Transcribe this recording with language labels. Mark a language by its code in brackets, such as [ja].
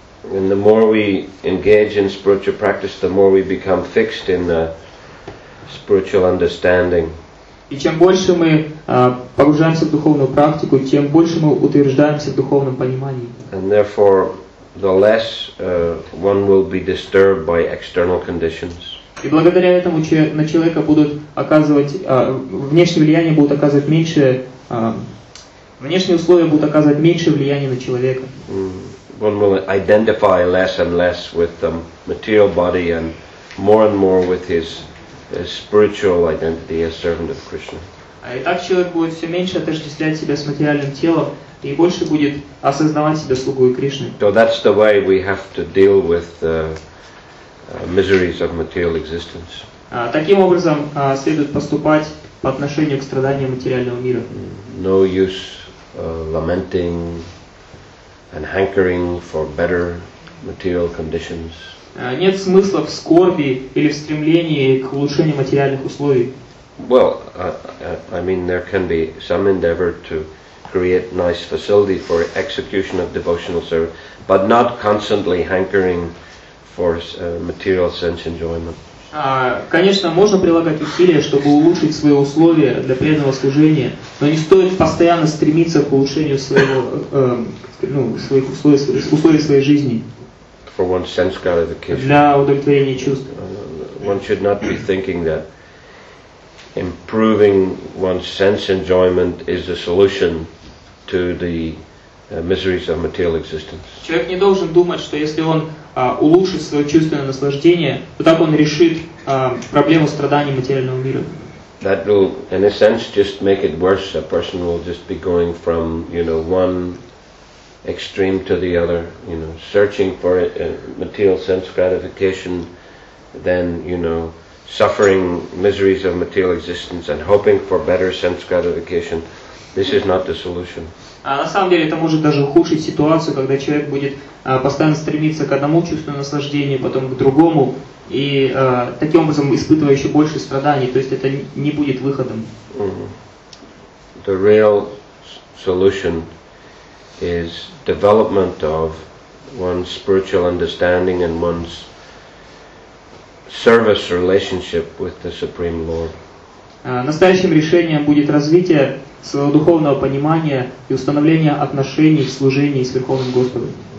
[en] And the more we engage in spiritual practice, the more we become fixed in the spiritual understanding. [ru] И чем больше мы погружаемся в духовную практику, тем больше мы утверждаемся в духовном понимании. [en] And therefore, the less one will be disturbed by external conditions. [ru] И благодаря этому на человека будут оказывать внешние влияния будут оказывать меньше внешние условия будут оказывать меньшее влияние на человека. [en] One will identify less and less with the material body and more with his spiritual identity as servant of Krishna. [ru] И так человек будет все меньше отождествлять себя с материальным телом и больше будет осознавать себя слугой Кришны. [en] So that's the way we have to deal with the miseries of material existence. [ru] Таким образом следует поступать по отношению к страданиям материального мира. [en] No use lamenting and hankering for better material conditions. [ru] Нет смысла в скорби или в стремлении к улучшению материальных условий. [en] Well, I mean, there can be some endeavor to create nice facility for execution of devotional service, but not constantly hankering for material sense enjoyment. [ru] Конечно, можно прилагать усилия, чтобы улучшить свои условия для преданного служения, но не стоит постоянно стремиться к улучшению своих условий своей жизни. [en] For one's sense gratification. [ru] Для удовлетворения чувств. [en] One should not be thinking that improving one's sense enjoyment is the solution to the miseries of material existence. [ru] Человек не должен думать, что если он улучшит свое чувственное наслаждение, то так он решит проблему страданий материального мира. [en] That will, in a sense, just make it worse. A person will just be going from, you know, one extreme to the other, you know, searching for material sense gratification, then, you know, suffering miseries of material existence and hoping for better sense gratification. This is not the solution. [ru] На самом деле это может даже ухудшить ситуацию, когда человек будет постоянно стремиться к одному чувству наслаждения, потом к другому, и таким образом испытывая еще больше страданий, то есть это не будет выходом. [en] The real solution is development of one's spiritual understanding and one's service relationship with the Supreme Lord. [ru] Настоящим решением будет развитие своего духовного понимания и установления отношений в служении с Верховным Господом.